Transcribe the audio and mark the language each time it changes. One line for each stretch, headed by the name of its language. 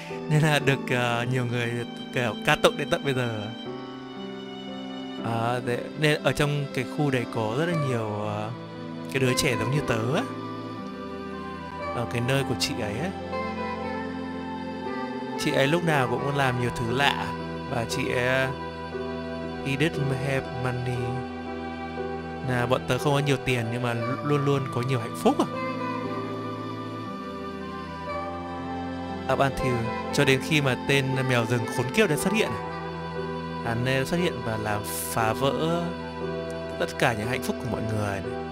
Vietnamese: Nên là được nhiều người kiểu ca tụng đến tận bây giờ. Nên ở trong cái khu đấy có rất là nhiều cái đứa trẻ giống như tớ á. Ở cái nơi của chị ấy á. Chị ấy lúc nào cũng muốn làm nhiều thứ lạ. Và chị ấy
English: he didn't have money.
Vietnamese: Là bọn tớ không có nhiều tiền nhưng mà luôn luôn có nhiều hạnh phúc à. À bạn thì cho đến khi mà tên mèo rừng khốn kiếp đã xuất hiện. Hắn ấy xuất hiện và làm phá vỡ tất cả những hạnh phúc của mọi người này.